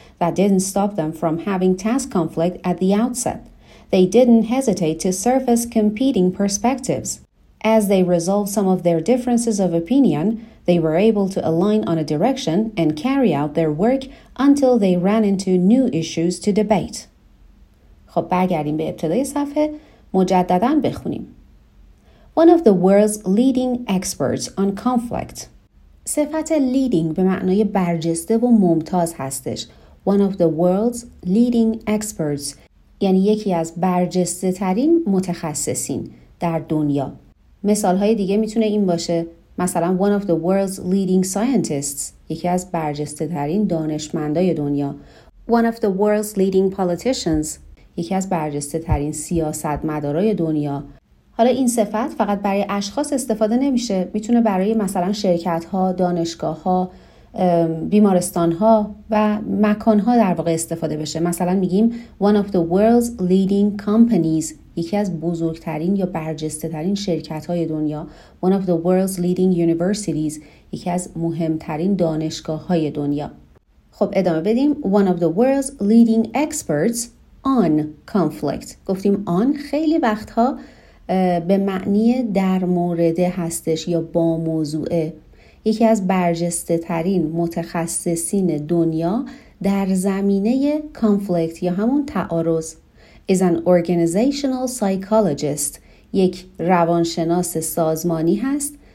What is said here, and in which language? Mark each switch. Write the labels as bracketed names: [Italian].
[English] That didn't stop them from having task conflict at the outset. They didn't hesitate to surface competing perspectives. As they resolved some of their differences of opinion, they were able to align on a direction and carry out their work until they ran into new issues to debate. [Persian] خب برگردیم به ابتدای صفحه، مجدداً بخونیم. [English] One of the world's leading experts on conflict. [Persian] صفت leading به معنای برجسته و ممتاز هستش. [English] One of the world's leading experts [Persian] یعنی یکی از برجسته ترین متخصصین در دنیا. مثال های دیگه میتونه این باشه، مثلا [English] one of the world's leading scientists، [Persian] یکی از برجسته ترین دانشمندای دنیا. [English] One of the world's leading politicians، [Persian] یکی از برجسته ترین سیاستمدارای دنیا. حالا این صفت فقط برای اشخاص استفاده نمیشه، میتونه برای مثلا شرکت ها، دانشگاه ها، بیمارستان ها و مکان ها در واقع استفاده بشه. مثلا میگیم [English] one of the world's leading companies، [Persian] یکی از بزرگترین یا برجسته ترین شرکت های دنیا. [English] One of the world's leading universities، [Persian] یکی از مهمترین دانشگاه های دنیا. خب ادامه بدیم. [English] One of the world's leading experts on conflict. [Persian] گفتیم on خیلی وقتها به معنی در مورد هستش یا با موضوعه. یکی از برجسته ترین متخصصین دنیا در زمینه conflict یا همون تعارض. [English] Is an organizational psychologist، [Persian] یک روانشناس سازمانی هست.